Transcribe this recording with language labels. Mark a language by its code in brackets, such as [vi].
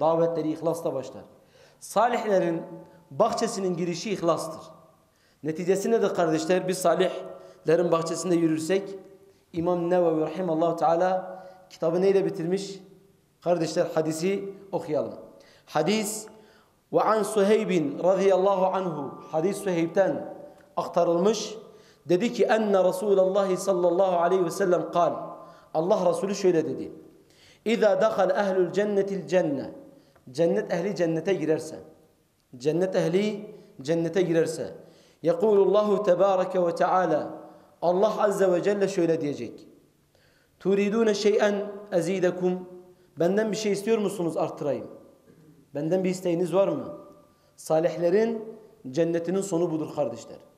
[tr] Davetleri ihlasla başlar. Salihlerin bahçesinin girişi ihlastır. Neticesi nedir kardeşler? Biz salihlerin bahçesinde yürürsek, İmam Nevevi rahimallahu teala kitabı neyle bitirmiş? Kardeşler hadisi okuyalım. Hadis [ar] وَعَنْ سُهَيْبٍ رَضِيَ اللّٰهُ عَنْهُ [tr] Hadis Suheyb'ten aktarılmış. Dedi ki [ar] اَنَّ رَسُولَ اللّٰهِ صَلَّى اللّٰهُ عَلَيْهِ وَسَلَّمْ قَالْ [tr] Allah Resulü şöyle dedi. [ar] اِذَا دَخَلْ اَهْلُ الْجَنَّةِ الْجَنَّةِ [tr] Cennet ehli cennete girerse. Cennet ehli cennete girerse. [ar] يَقُولُ اللّٰهُ تَبَارَكَ وَتَعَالَى [tr] Allah Azze ve Celle şöyle diyecek. [ar] تُرِيدُونَ شَيْئًا اَزِيدَكُمْ [tr] Benden bir şey istiyor musunuz? Arttırayım. Benden bir isteğiniz var mı? Salihlerin cennetinin sonu budur kardeşler.